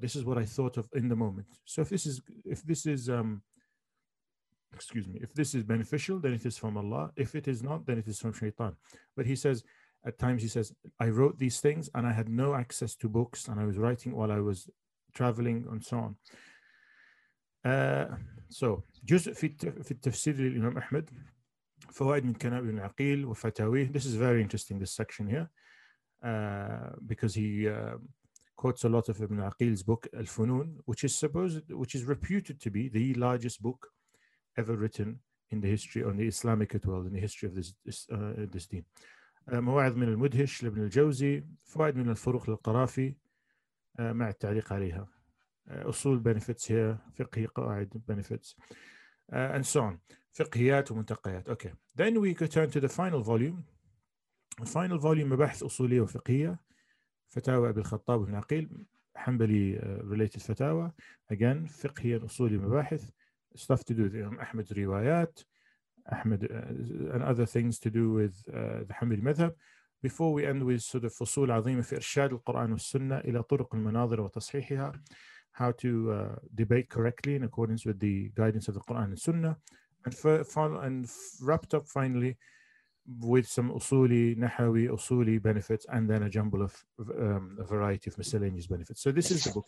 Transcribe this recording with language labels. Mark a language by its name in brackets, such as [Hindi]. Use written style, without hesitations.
[English] This is what I thought of in the moment. So if this is beneficial, then it is from Allah. If it is not, then it is from Shaitan. But he says, at times he says, I wrote these things and I had no access to books and I was writing while I was traveling and so on. [Arabic] So جزء في التفسير للإمام أحمد فوائد من كلام ابن عقيل وفتاويه. This is very interesting, this section here, because he quotes a lot of Ibn Aqil's book Al-Funun, which is reputed to be the largest book ever written in the history on the Islamic as well, in the history of this deen. مواعظ من المدهش لابن الجوزي, فوائد من الفروق للقرافي مع التعليق عليها, أصول [English] benefits here, [Arabic] فقهي قواعد [English] benefits, and so on. [Arabic] فقهيات ومنتقيات. [English] Okay, then we could turn to the final volume. The final volume, [Arabic] مباحث أصولية وفقهية, فتاوى أبي الخطاب بن عقيل, حنبلي [English] related [Arabic] فتاوى. [English] Again, [Arabic] فقهية أصولية مباحث, [English] stuff to do with [Arabic] أحمد روايات, [English] أحمد and other things to do with the [Arabic] حنبلي مذهب. [English] Before we end with sort of [Arabic] فصول عظيمة في إرشاد القرآن والسنة إلى طرق المناظر وتصحيحها, [English] how to debate correctly in accordance with the guidance of the Quran and Sunnah, and wrapped up finally with some usuli, nahawi, usuli benefits, and then a jumble of a variety of miscellaneous benefits. So this is the book.